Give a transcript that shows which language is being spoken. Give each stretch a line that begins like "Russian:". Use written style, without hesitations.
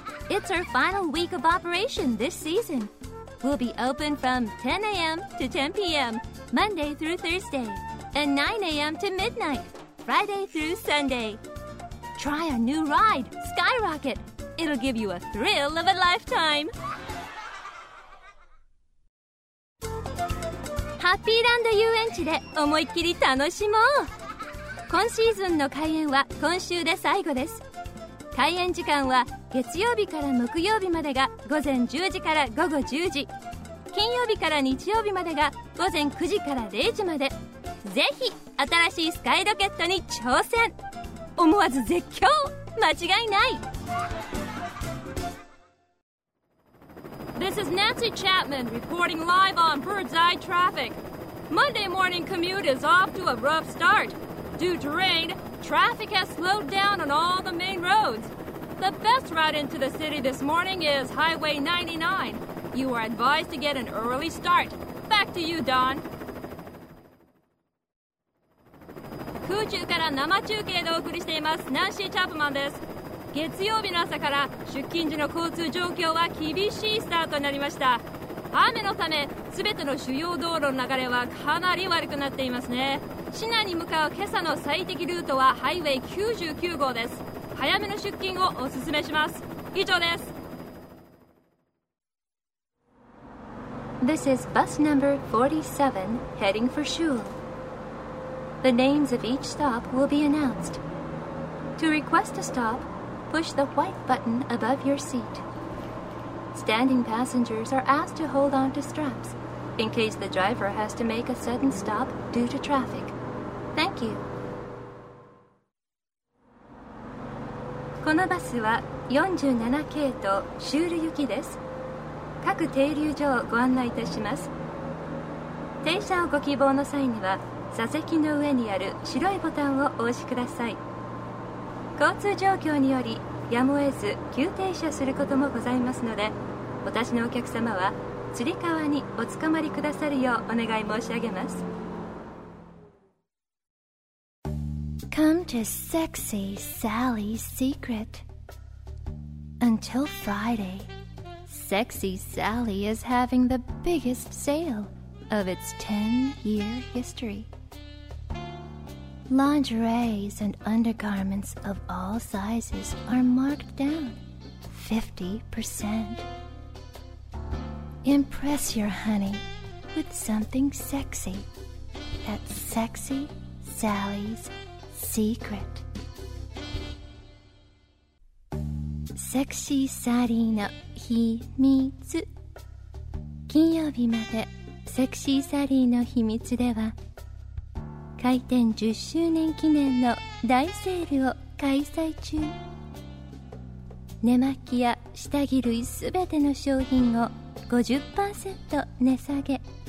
English: It's our final week of operation this season. We'll be open from 10 a.m. to 10 p.m. Monday through Thursday, and 9 a.m. to midnight Friday through Sunday. Try our new ride, Skyrocket. It'll give you a thrill of a lifetime.
Japanese: ハッピーランド遊園地で思いっきり楽しもう。今シーズンの開園は今週で最後です。開園時間は月曜日から木曜日までが午前10時から午後10時、金曜日から日曜日までが午前9時から0時まで。ぜひ新しいスカイロケットに挑戦、思わず絶叫間違いない。
English: This is Nancy Chapman reporting live on Bird's Eye Traffic. Monday morning commute is off to a rough start. Due to rain, traffic has slowed down on all the main roads. The best route into the city this morning is Highway 99. You are advised to get an early start. Back to you, Don.
Japanese: 空中から生中継でお送りしています、ナンシー・チャップマンです。月曜日の朝から出勤時の交通状況は厳しいスタートになりました。雨のため、すべての主要道路の流れはかなり悪くなっていますね。市内に向かう今朝の最適ルートはハイウェイ99号です。早めの出勤をお勧めします。以上です。
English: This is bus number 47 heading for Shul. The names of each stop will be announced. To request a stop, push the white button above your seat. Standing passengers are asked to hold on to straps in case the driver has to make a sudden stop due to traffic. Thank you.
Japanese: このバスは47系とシュール行きです。各停留所をご案内いたします。停車をご希望の際には座席の上にある白いボタンをお押しください。交通状況によりやむを得ず急停車することもございますので、お立ちのお客様はつり革におつかまりくださるようお願い申し上げます。
English: Come to Sexy Sally's Secret. Until Friday, Sexy Sally is having the biggest sale of its 10-year history. Lingeries and undergarments of all sizes are marked down 50%. Impress your honey with something sexy at Sexy Sally'sSecret.
Japanese: Sexy Sally の秘密。金曜日まで Sexy Sally の秘密では、開店10周年記念の大セールを開催中。寝巻きや下着類すべての商品を 50% 値下げ。